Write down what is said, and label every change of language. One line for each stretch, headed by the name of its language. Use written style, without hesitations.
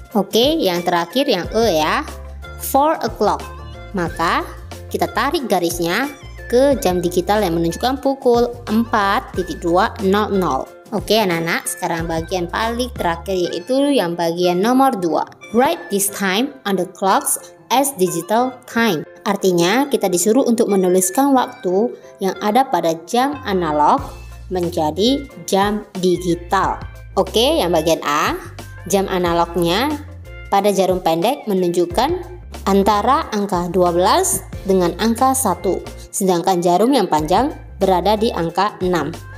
Indonesian: Oke, yang terakhir yang E ya, 4:00. Maka kita tarik garisnya ke jam digital yang menunjukkan pukul 4:00. Oke anak-anak, sekarang bagian paling terakhir yaitu yang bagian nomor 2.
English: Write this time on the clocks as digital time.
Indonesian: Artinya kita disuruh untuk menuliskan waktu yang ada pada jam analog menjadi jam digital. Oke, yang bagian A, jam analognya pada jarum pendek menunjukkan antara angka 12 dengan angka 1, sedangkan jarum yang panjang berada di angka 6.